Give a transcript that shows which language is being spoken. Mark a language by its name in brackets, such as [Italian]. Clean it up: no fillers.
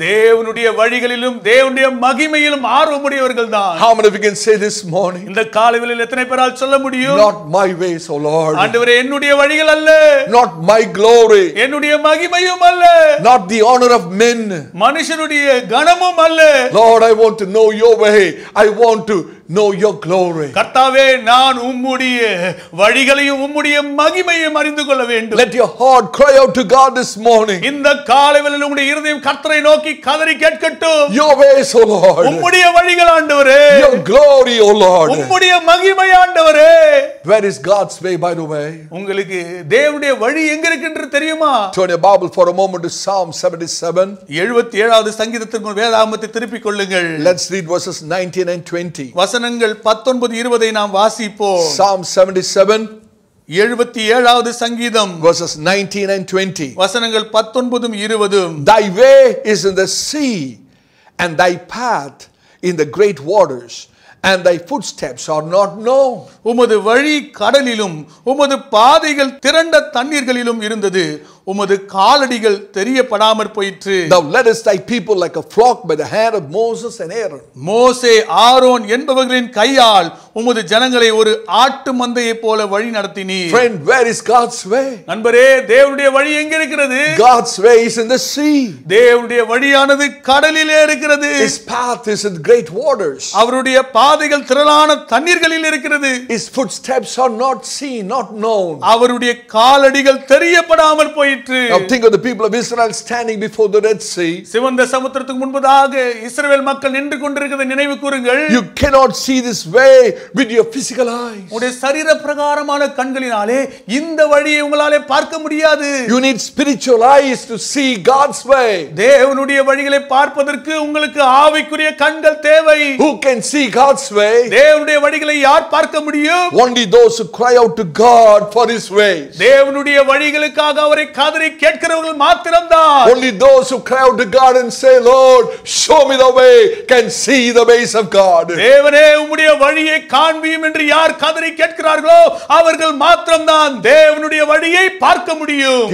[Tamil] தேவனுடைய வழிகளிலும் தேவனுடைய மகிமையிலும் ஆர்வம் கூடியவர்கள் தான் [English] how many of you can say this morning [Tamil] இந்த காலையிலே எத்தனை பேரால் சொல்ல முடியும் [English] not my ways o lord [Tamil] ஆண்டவரே என்னுடைய வழிகள் அல்ல [English] not my glory [Tamil] என்னுடைய மகிமையும் அல்ல [English] not the honor of men [Tamil] மனுஷனுடைய கனமும் அல்ல [English] lord I want to know your way I want to know your glory [Tamil] கர்த்தாவே நான் உம்முடைய வழிகளையும் உம்முடைய மகிமையையும் அறிந்து கொள்ள வேண்டும் [English] let your heart cry out to god this morning [Tamil] இந்த காலையிலே உம்முடைய இருதயம் கர்த்தரை நோக்கி கதறி கேட்கட்டும் [English] your ways o lord [Tamil] உம்முடைய வழிகள் ஆண்டவரே [English] your glory o lord [Tamil] உம்முடைய மகிமை ஆண்டவரே [English] where is god's way by the way [Tamil] உங்களுக்கு தேவனுடைய வழி எங்க இருக்குன்னு தெரியுமா [English] turn your bible for a moment to psalm 77 [Tamil] 77வது சங்கீதத்தின் வேதாகமத்தை திருப்பி கொள்ளுங்கள் [English] let's read verses 19 and 20 [Tamil] வசனங்கள் 19 20 நாம் வாசிப்போம் [English] psalm 77 [Tamil] 77வது சங்கீதம் [English] verses 19 and 20 [Tamil] வசனங்கள் 19ம் 20ம் [English] thy way is in the sea and thy path in the great waters and thy footsteps are not known [Tamil] உமது வழி கடலிலும் உமது பாதைகள் திரண்ட தண்ணீர்களிலும் இருந்தது உமது காலடிகள் தெரியப்படாமற் போயிற்று [English] thou leadest thy people like a flock by the hand of moses and aaron [Tamil] மோசே ஆரோன் என்பவர்களின் கையால் உமது ஜனங்களை ஒரு ஆட்டு மந்தையைப் போல வழிநடத்தினீர் [English] friend where is god's way [Tamil] நண்பரே தேவனுடைய வழி எங்க இருக்கிறது [English] god's way is in the sea [Tamil] தேவனுடைய வழியானது கடலிலே இருக்கிறது [English] his path is in great waters [Tamil] அவருடைய பாதைகள் திரளான தண்ணீர்களில் இருக்கிறது [English] his footsteps are not seen not known [Tamil] அவருடைய காலடிகள் தெரியப்படாமற் [English] Now think of the people of Israel standing before the Red Sea. [Tamil] சிவந்த சமுத்திரத்துக்கு முன்பதாக இஸ்ரவேல் மக்கள் நின்று கொண்டிருக்கிறது நினைவு கூறுங்கள். [English] You cannot see this way with your physical eyes. [Tamil] உங்கள் சரீர பிரகாரமான கண்களினாலே இந்த வழியை உங்களால பார்க்க முடியாது. [English] You need spiritual eyes to see God's way. [Tamil] தேவனுடைய வழிகளை பார்ப்பதற்கு உங்களுக்கு ஆவிக்குரிய கண்கள் தேவை. [English] Who can see God's way? [Tamil] தேவனுடைய வழிகளை யார் பார்க்க முடியும்? [English] Only those who cry out to God for his ways. [Tamil] தேவனுடைய வழிகளுக்காக அவரை காதறி கேட்கிறவர்கள் மாத்திரம்தான் [English] only those who cry out to god and say lord show me the way can see the ways of god [Tamil] தேவனே உம்முடைய வழியை காண்பியும் என்று யார் காதறி கேட்கிறார்களோ அவர்கள் மாத்திரம்தான் தேவனுடைய வழியை பார்க்க முடியும்